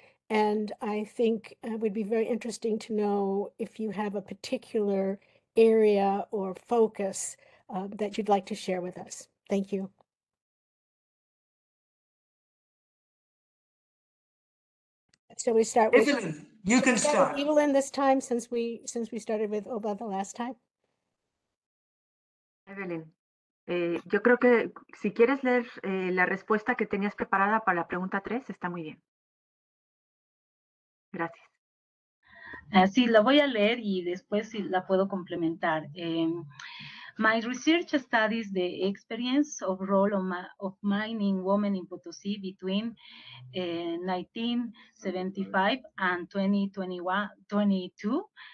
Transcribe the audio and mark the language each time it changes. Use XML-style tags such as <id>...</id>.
<en>And I think it would be very interesting to know if you have a particular area or focus that you'd like to share with us. Thank you. So we start Evelyn, with Evelyn. You can start. Evelyn, this time since we started with Obaa the last time.</en> <es>Evelyn, yo creo que si quieres leer la respuesta que tenías preparada para la pregunta 3, está muy bien. Gracias. Sí, la voy a leer y después sí la puedo complementar.</es> <en>My research studies the experience of role of mining women in Potosí between 1975 and 2022.</en>